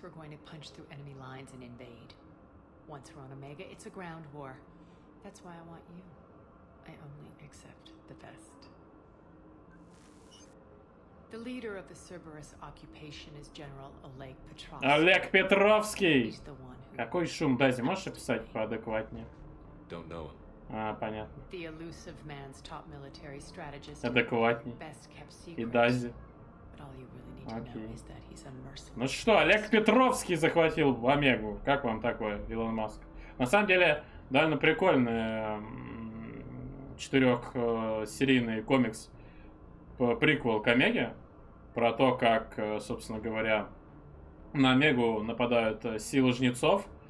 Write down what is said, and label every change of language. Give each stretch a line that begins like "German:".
English: We're going to punch through enemy lines and invade. Once we're on Omega, it's a ground war. That's why I want you. I only accept the best. The leader of the Cerberus occupation is General Oleg Petrovsky.
Russian: Олег Петровский! Какой шум, Дази, можешь описать поадекватнее?
English: Don't know him.
Russian: А, понятно.
English: The elusive man's top military strategist.
Russian: Адекватнее.
English: Best kept secret.
Russian: И Дази.
English: But all you really need to know is that he's unmerciful.
Russian: Ну что, Олег Петровский захватил Омегу. Как вам такое, Илон Маск? На самом деле, довольно прикольный четырехсерийный комикс. Приквел к Омеге, про то, как, собственно говоря, на Омегу нападают силы жнецов.